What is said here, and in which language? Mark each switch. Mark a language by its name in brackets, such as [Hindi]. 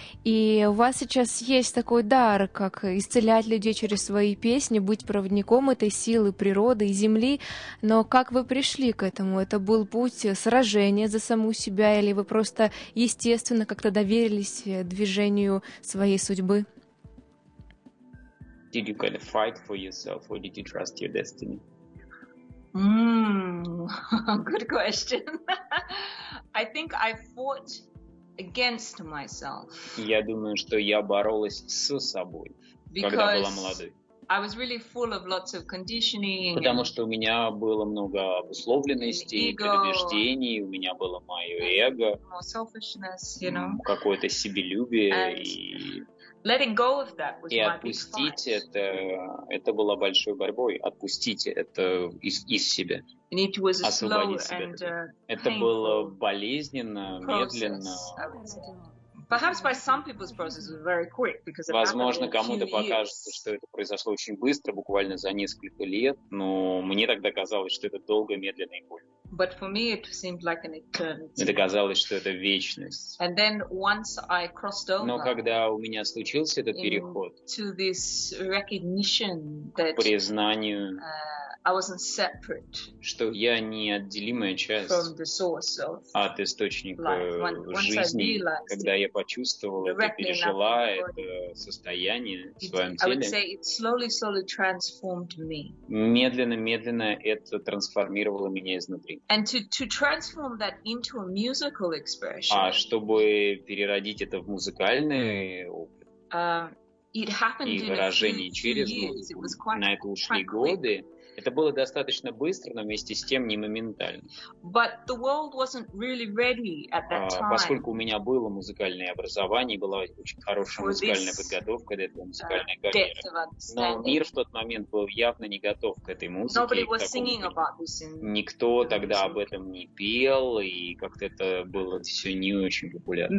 [Russian] И у вас сейчас есть такой дар, как исцелять людей через свои песни, быть проводником этой силы природы и земли. Но как вы пришли к этому? Это был путь сражения за саму себя, или вы просто естественно как-то доверились движению своей судьбы? [English] Did you kind of fight for yourself, or did you trust your destiny? Good question. I think I fought against myself. [Russian] Я думаю, что я боролась со собой, когда была молодой. [English] I was really full of lots of conditioning. [Russian] Потому что у меня было много обусловленностей, предубеждений, у меня было мое эго, [English] more selfishness, you know, [Russian] какое-то себелюбие. [English] And [Russian] и [English] Letting go of that was my big fight. [Russian] И отпустить это, это было большой борьбой. Отпустить это из, из себя. [English] And it was a slow and painful [Russian] это было болезненно, медленно. [English] Perhaps by some people's process was very quick because [Russian] возможно, кому-то покажется, что это произошло очень быстро, буквально за несколько лет, но мне тогда казалось, что это долго, медленно и больно. [English] But for me it seemed like an eternity. [Russian] Это казалось, что это вечность. [English] And then once I crossed over, [Russian] но когда у меня случился этот переход, [English] to this recognition that, [Russian] к признанию, [English] I wasn't separate, [Russian] что я неотделимая часть [English] from the source of [Russian] от источника жизни, когда я почувствовала, пережила это состояние в своем теле, [English] I would say it slowly, slowly transformed me. [Russian] Медленно-медленно это трансформировало меня изнутри. [English] And to transform that into a musical expression, [Russian] а чтобы переродить это в музыкальный опыт, [English] it happened [Russian] и выражение через музыку, на это ушли годы, это было достаточно быстро, но вместе с тем не моментально. [English] But the world wasn't really ready at that time. [Russian] Поскольку у меня было музыкальное образование, была очень хорошая музыкальная подготовка для этого музыкальной карьеры. Но мир в тот момент был явно не готов к этой музыке. [English] Nobody was singing about this in [Russian] никто тогда об этом не пел, и как-то это было все не очень популярно.